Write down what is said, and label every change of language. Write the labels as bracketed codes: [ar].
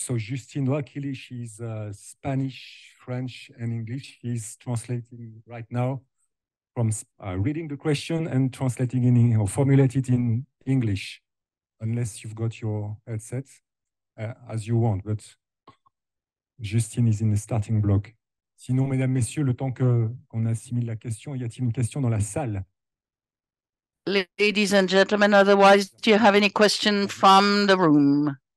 [en] So Justine, luckily she's Spanish, French and English. She's translating right now from reading the question and translating in or formulating in English, unless you've got your headset as you want. But Justine is in the starting block. [fr] Sinon, mesdames, messieurs, le temps qu'on assimile la question, y a-t-il une question dans la salle? [en] Ladies and gentlemen, otherwise, do you have any question from the room?